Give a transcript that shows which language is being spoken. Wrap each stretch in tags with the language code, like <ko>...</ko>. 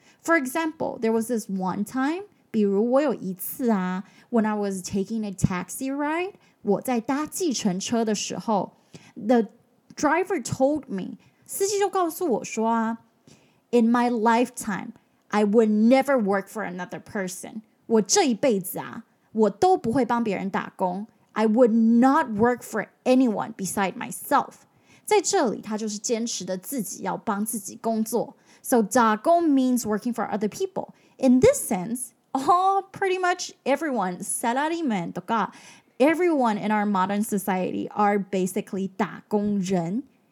<en>For example, there was this one time,</en> <zh>比如我有一次啊,</zh> <en>when I was taking a taxi ride,</en> <zh>我在搭计程车的时候,</zh> <en>the driver told me,</en> <zh>司机就告诉我说啊,</zh> <en>in my lifetime, I would never work for another person.</en> <zh>我这一辈子啊, 我都不会帮别人打工。</zh> <en>I would not work for anyone beside myself.</en> <zh>在这里，他就是坚持的自己要帮自己工作.</zh> <en>So 打工 means working for other people. In this sense, all pretty much everyone, salaryman都嘎, everyone in our modern society are basically 打工人.</en>